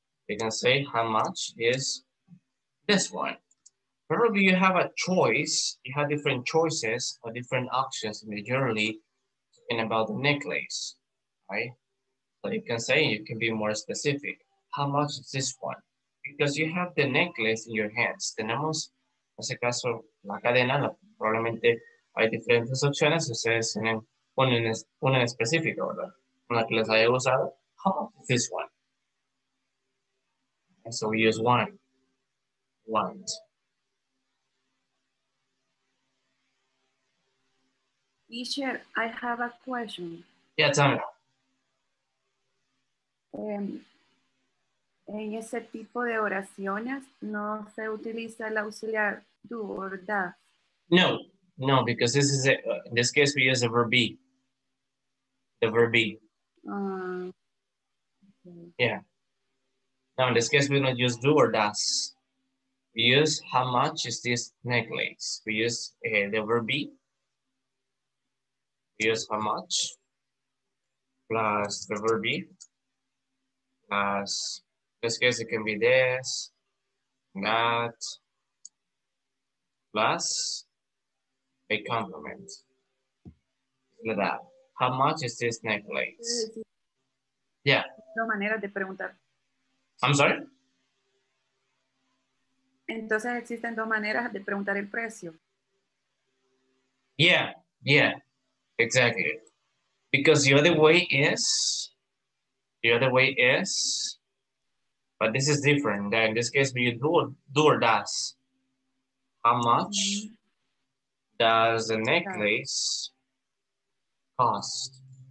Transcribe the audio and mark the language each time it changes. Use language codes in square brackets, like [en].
[en] you can say how much is this one. Probably you have a choice, you have different choices or different options majorly in about the necklace, right? So you can say, you can be more specific. How much is this one? Because you have the necklace in your hands. [es] Tenemos, en ese caso, la cadena, probablemente hay diferentes opciones, ustedes tienen una en específico, ¿verdad? Una que les haya usado. [en] How much is this one? And so we use one. One. Teacher, I have a question. Yeah, tell me. [es] En ese tipo de oraciones, no se utiliza el auxiliar do or does. [en] No, no, because this is a, in this case, we use the verb be. The verb be. Okay. Yeah. Now, in this case, we don't use do or does. We use how much is this necklace? We use the verb be. Use how much plus the verb be plus in this case it can be this, that, plus a complement. Like that. How much is this necklace? Yeah. [es] Dos maneras de preguntar. [en] I'm sorry? [es] Entonces existen dos maneras de preguntar el precio. [en] Yeah, yeah. Exactly, because the other way is, but this is different. That in this case, we do or does. How much does the necklace cost?